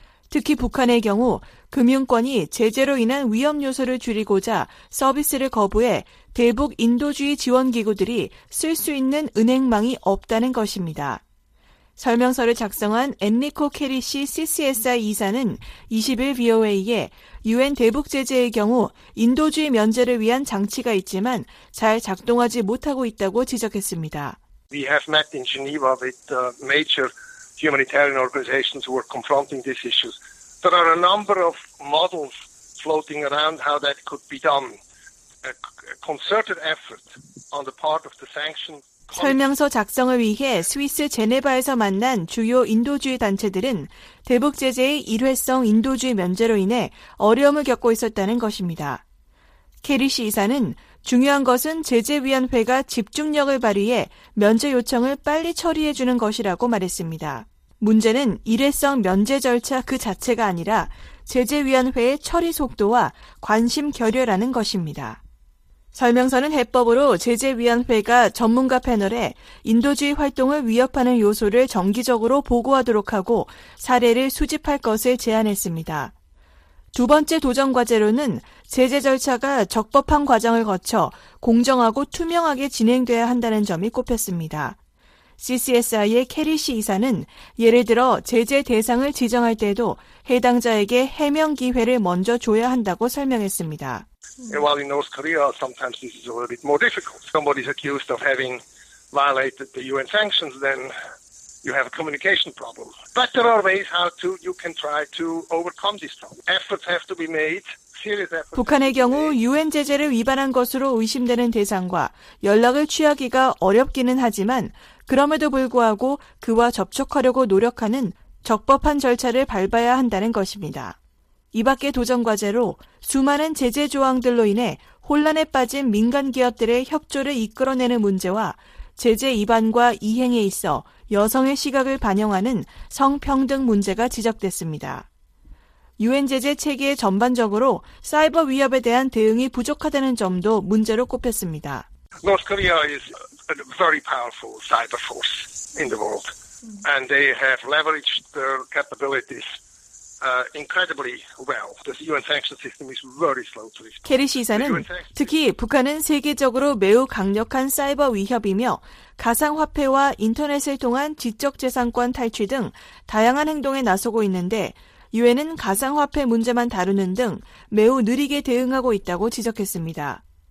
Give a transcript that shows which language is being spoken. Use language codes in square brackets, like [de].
[ko] 특히 북한의 경우 금융권이 제재로 인한 위험 요소를 줄이고자 서비스를 거부해 대북 인도주의 지원기구들이 쓸 수 있는 은행망이 없다는 것입니다. 설명서를 작성한 엔리코 케리 씨 CCSI 이사는 20일 VOA에 유엔 대북 제재의 경우 인도주의 면제를 위한 장치가 있지만 잘 작동하지 못하고 있다고 지적했습니다. [en] We have met in Geneva with major humanitarian organizations who are confronting these issues. There are a number of models floating around how that could be done. A concerted effort on the part of the sanctioned [ko] 설명서 작성을 위해 스위스 제네바에서 만난 주요 인도주의 단체들은 대북 제재의 일회성 인도주의 면제로 인해 어려움을 겪고 있었다는 것입니다. 케리 씨 이사는 중요한 것은 제재위원회가 집중력을 발휘해 면제 요청을 빨리 처리해주는 것이라고 말했습니다. 문제는 일회성 면제 절차 그 자체가 아니라 제재위원회의 처리 속도와 관심 결여라는 것입니다. 설명서는 해법으로 제재위원회가 전문가 패널에 인도주의 활동을 위협하는 요소를 정기적으로 보고하도록 하고 사례를 수집할 것을 제안했습니다. 두 번째 도전 과제로는 제재 절차가 적법한 과정을 거쳐 공정하고 투명하게 진행돼야 한다는 점이 꼽혔습니다. CCSI의 캐리 씨 이사는 예를 들어 제재 대상을 지정할 때도 해당자에게 해명 기회를 먼저 줘야 한다고 설명했습니다. [en] While in North Korea, sometimes this is a little bit more difficult. Somebody is accused of having violated the UN sanctions, then you have a communication problem. But there are ways how to you can try to overcome this problem. Efforts have to be made. [ko] 북한의 경우 유엔 제재를 위반한 것으로 의심되는 대상과 연락을 취하기가 어렵기는 하지만 그럼에도 불구하고 그와 접촉하려고 노력하는 적법한 절차를 밟아야 한다는 것입니다. 이 밖의 도전 과제로 수많은 제재 조항들로 인해 혼란에 빠진 민간 기업들의 협조를 이끌어내는 문제와 제재 위반과 이행에 있어 여성의 시각을 반영하는 성평등 문제가 지적됐습니다. 유엔 제재 체계에 전반적으로 사이버 위협에 대한 대응이 부족하다는 점도 문제로 꼽혔습니다. [en] North Korea is a very powerful cyber force in the world, and they have leveraged their capabilities incredibly well. The UN sanctions system is very slow to respond. [ko] 캐리 시사는 특히 북한은 세계적으로 매우 강력한 사이버 위협이며 가상화폐와 인터넷을 통한 지적재산권 탈취 등 다양한 행동에 나서고 있는데 유엔은 가상화폐 문제만 다루는 등 매우 느리게 대응하고 있다고 지적했습니다.